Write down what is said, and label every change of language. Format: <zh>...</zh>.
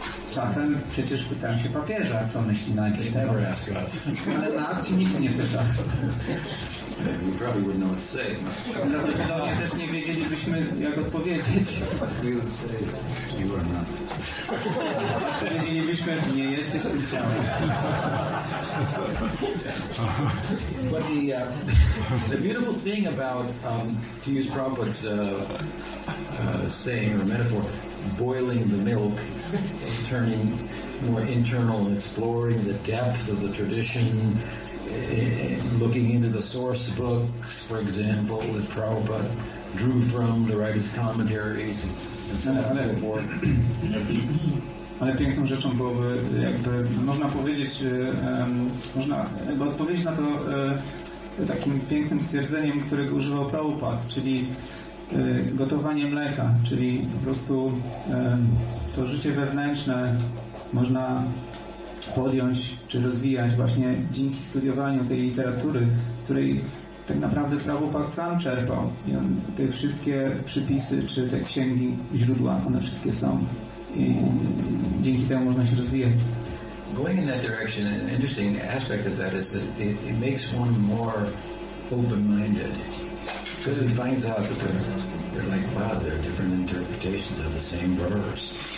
<pl>Czasem przecież pytają się papieża, co myśli na jakieś temat. Ale nas nikt nie pyta.</pl> <en>We probably wouldn't know what to say.</en> <pl>No, też nie wiedzielibyśmy, jak odpowiedzieć.</pl> <en>We would say, you are not.</en> <pl>Wiedzielibyśmy, nie jesteś tym ciałem.</pl> <en>But the beautiful thing about, to use Prabhupada's saying or metaphor, boiling the milk and turning more internal and exploring the depth of the tradition, looking into the source books, for example, that Prabhupada drew from, to write his commentaries, and so on and so forth.</en> <pl>Ale piękną rzeczą byłoby, jakby można powiedzieć, można jakby odpowiedzieć na to takim pięknym stwierdzeniem, którego używał Prabhupada, czyli gotowanie mleka, czyli po prostu to życie wewnętrzne można podjąć czy rozwijać właśnie dzięki studiowaniu tej literatury, z której tak naprawdę Prabhupada sam czerpał. I on, te wszystkie przypisy czy te księgi, źródła, one wszystkie są. I dzięki temu można się rozwijać.</pl> <en>Going in that direction, an interesting aspect of that is that it makes one more open-minded. Because it finds out that they're like, wow, there are different interpretations of the same verse.</en>